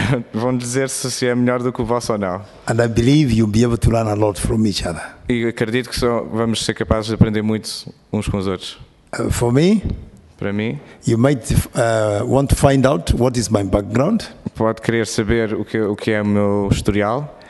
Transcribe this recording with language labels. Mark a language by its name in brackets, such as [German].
[Portuguese] Vão dizer se é melhor do que o vosso ou não. [English] And I believe you'll be able to learn a lot from each other. [Portuguese] E acredito que vamos ser capazes de aprender muito uns com os outros. [English] For me? [Portuguese] Para mim? [English] You might want to find out what is my background. [Portuguese] Pode querer saber o que é o meu historial.